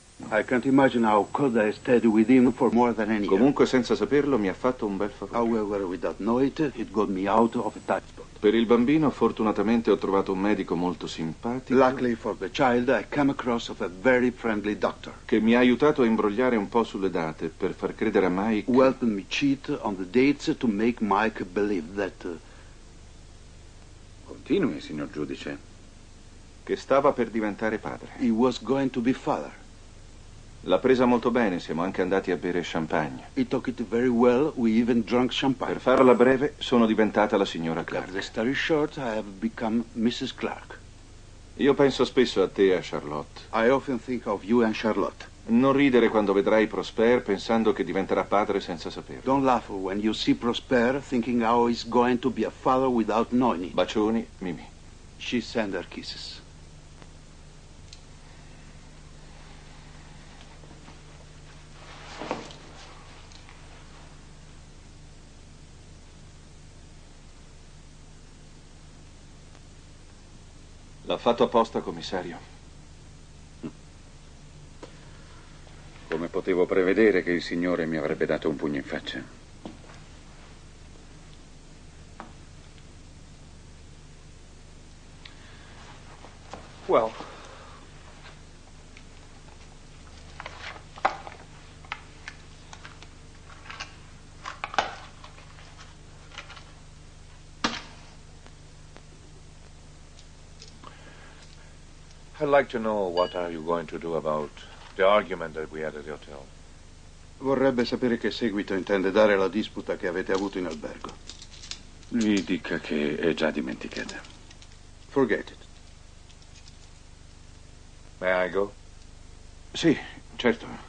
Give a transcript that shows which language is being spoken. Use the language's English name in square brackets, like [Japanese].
[English] I can't imagine how cold I stayed with him for more than a year. [Italian] Comunque, senza saperlo, mi ha fatto un bel favore. [English] However, without knowing it, it got me out of a tight spot. [Italian] Per il bambino, fortunatamente, ho trovato un medico molto simpatico. [English] Luckily for the child, I came across of a very friendly doctor. [Italian] Che mi ha aiutato a imbrogliare un po' sulle date per far credere a Mike. [English] Who helped me cheat on the dates to make Mike believe that. [Italian] Continui, signor giudice. Che stava per diventare padre. [English] He was going to be father. [Italian] L'ha presa molto bene, siamo anche andati a bere champagne. [English] He took it very well, we even drank champagne. [Italian] Per farla breve, sono diventata la signora Clark. [English] The story short, I have become Mrs. Clark. [Italian] Io penso spesso a te e a Charlotte. [English] I often think of you and Charlotte. [Italian] Non ridere quando vedrai Prosper pensando che diventerà padre senza saperlo. [English] Don't laugh when you see Prosper thinking how he's going to be a father without knowing it. [Italian] Bacioni, Mimi. [English] She sends her kisses. [Italian] L'ha fatto apposta, commissario. Come potevo prevedere che il signore mi avrebbe dato un pugno in faccia? [English] Well. I'd like to know what are you going to do about the argument that we had at the hotel. [Italian] Vorrebbe sapere che seguito intende dare alla disputa che avete avuto in albergo. Gli dica che è già dimenticata. [English] Forget it. May I go? [Italian] Sì, certo.